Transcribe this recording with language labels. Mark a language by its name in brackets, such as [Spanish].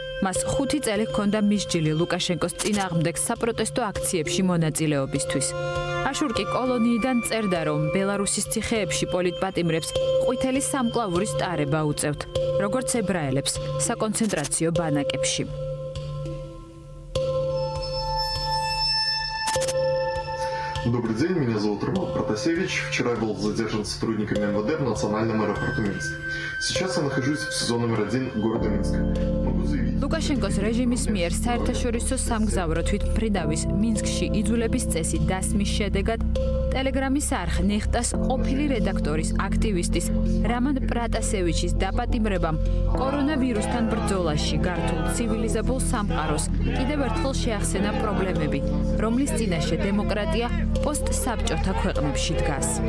[Georgian] Მას 5 წელი ჰქონდა მისჯილი ლუკაშენკოს წინააღმდეგ საპროტესტო აქციებში მონაწილეობისთვის. Აშურკი კოლონიიდან წერდა, რომ ბელარუსის ციხეებში პოლიტპატიმრებს ყვითელი სამკლავურის ტარება უწევთ, როგორც ებრაელებს საკონცენტრაციო ბანაკებში. [Russian] Добрый день, меня зовут Роман Протасевич. Вчера я был задержан сотрудниками МВД в национальном аэропорту Минск. Сейчас я нахожусь в сезон номер 1 города Минск. Лукашенко с режимом СМИР [Georgian] საერთაშორისო სამგზავრო თვითმფრინავის მინსკში იძულების წესი დასმის შედეგად ტელეგრამის არხ ნეხტას ყოფილი რედაქტორის აქტივისტის რამან პრატასევიჩის დაპატიმრებამ კორონავირუსთან ბრძოლაში გართულ ცივილიზებულ სამყაროს კიდევ ერთხელ შეახსენა პრობლემები, რომლის წინაშე დემოკრატია პოსტსაბჭოთა ქვეყნებში დგას.